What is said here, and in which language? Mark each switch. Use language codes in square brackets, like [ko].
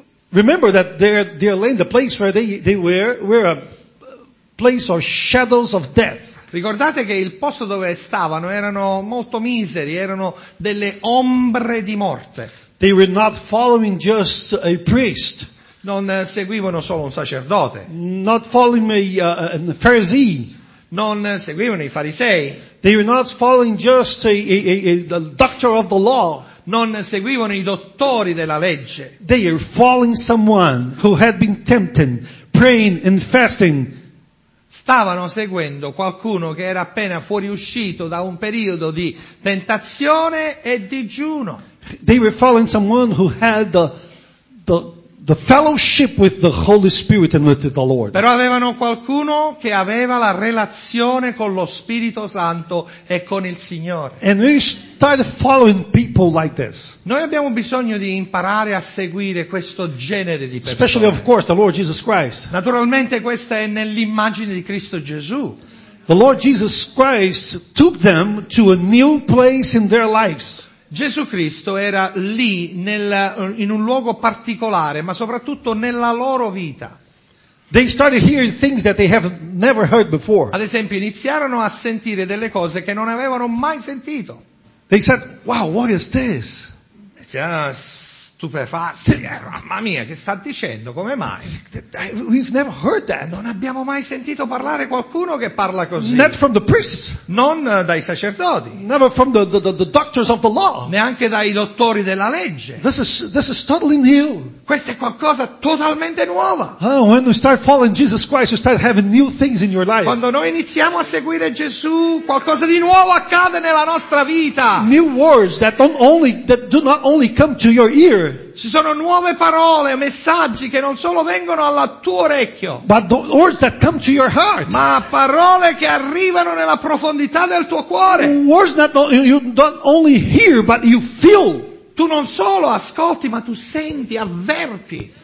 [en] Remember that they are laying the place where they were a place or shadows of death. [it] Ricordate che il posto dove stavano erano molto miseri, erano delle ombre di morte. [en] They were not following just a priest. [it] Non seguivano solo un sacerdote. [en] Not following a Pharisee. [it] Non seguivano i farisei. [en] They were not following just a doctor of the law. [it] Non seguivano i dottori della legge. [en] They were following someone who had been tempting, praying and fasting. [it] Stavano seguendo qualcuno che era appena fuoriuscito da un periodo di tentazione e digiuno. [en] They were following someone who had the fellowship with the Holy Spirit and with the Lord. [it] Però avevano qualcuno che aveva la relazione con lo Spirito Santo e con il Signore. [en] And we started following people like this. [it] Noi abbiamo bisogno di imparare a seguire questo genere di persone. [en] Especially of course the Lord Jesus Christ. [it] Naturalmente questa è nell'immagine di Cristo Gesù. [en] The Lord Jesus Christ took them to a new place in their lives. [it] Gesù Cristo era lì in un luogo particolare, ma soprattutto nella loro vita. [en] They started hearing things that they have never heard before. [it] Ad esempio, iniziarono a sentire delle cose che non avevano mai sentito. [en] They said, "Wow, what is this?" [it] Stupefatti, mamma mia, che sta dicendo? Come mai? [en] We've never heard that. [it] Non abbiamo mai sentito parlare qualcuno che parla così. [en] Not from the priests. [it] Non dai sacerdoti. [en] Never from the doctors of the law. [it] Neanche dai dottori della legge. [en] This is totally new. [it] Questo è qualcosa totalmente nuova. [en] Oh, when you start following Jesus Christ, you start having new things in your life. [it] Quando noi iniziamo a seguire Gesù, qualcosa di nuovo accade nella nostra vita. [en] New words that do not only come to your ear. [it] Ci sono nuove parole, messaggi che non solo vengono al tuo orecchio, [en] but the words that come to your heart. [it] Ma parole che arrivano nella profondità del tuo cuore. [en] Words that you don't only hear, but you feel. [it] Tu non solo ascolti, ma tu senti, avverti.